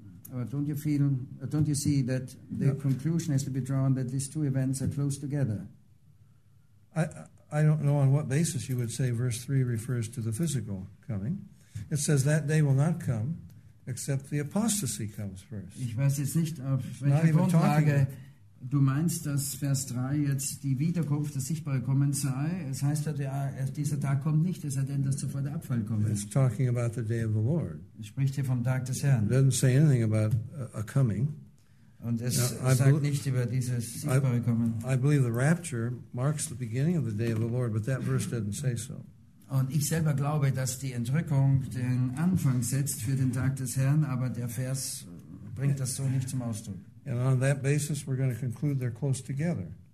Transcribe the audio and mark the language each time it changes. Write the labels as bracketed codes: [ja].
[en] Don't you see that the conclusion has to be drawn that these two events are close together? I don't know on what basis you would say verse 3 refers to the physical coming. It says that day will not come except the apostasy comes first. [de] Ich weiß jetzt nicht, auf welche Grundlage du meinst, dass Vers 3 jetzt die Wiederkunft, das Sichtbare kommen sei. Es heißt ja, dieser Tag kommt nicht, es sei denn, dass zuvor der Abfall kommt. [en] It's talking about the day of the Lord. [de] Es spricht hier vom Tag des Herrn. [en] It doesn't say anything about a coming. [de] Und es sagt nicht über dieses Sichtbare kommen. [en] I believe the rapture marks the beginning of the day of the Lord, but that verse didn't say so. [de] Und ich selber glaube, dass die Entrückung den Anfang setzt für den Tag des Herrn, aber der Vers bringt das so nicht zum Ausdruck. [en] And on that basis, we're going to conclude they're close together.